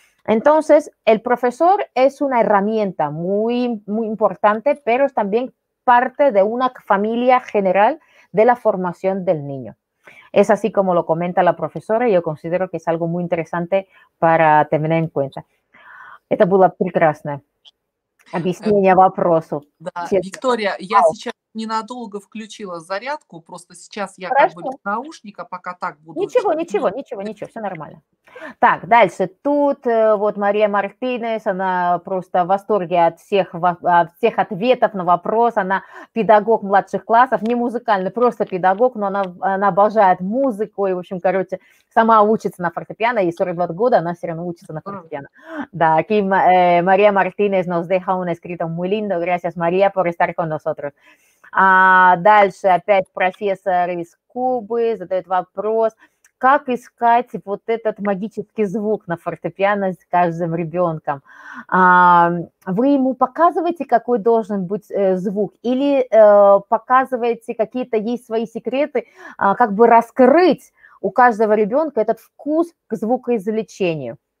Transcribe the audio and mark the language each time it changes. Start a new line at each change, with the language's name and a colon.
Spanish: Entonces, el profesor es una herramienta muy, muy importante, pero es también parte de una familia general de la formación del niño. Es así como lo comenta la profesora y yo considero que es algo muy interesante para tener en cuenta.
Russian: Это было прекрасно. Объяснение вопросу. Да, сейчас. Виктория, я сейчас ненадолго включила зарядку, просто сейчас я Хорошо. Как бы без наушника, пока так буду. Ничего, ничего, ничего, ничего, все нормально. Так, дальше. Тут вот Мария Мартинес, она просто в восторге от всех ответов на вопрос. Она педагог младших классов, не музыкальный, просто педагог, но она обожает музыку и, в общем, короче, сама учится на фортепиано, ей 42 года, она все равно учится на фортепиано.
Spanish: Да, aquí Мария Мартинес nos deja un escrito muy lindo. Gracias, María, por estar con nosotros.
Russian: А дальше опять профессор из Кубы задает вопрос. Как искать вот этот магический звук на фортепиано с каждым ребенком? Вы ему показываете, какой должен быть звук? Или показываете какие-то есть свои секреты, как бы раскрыть у каждого ребенка этот вкус к звукоизвлечению?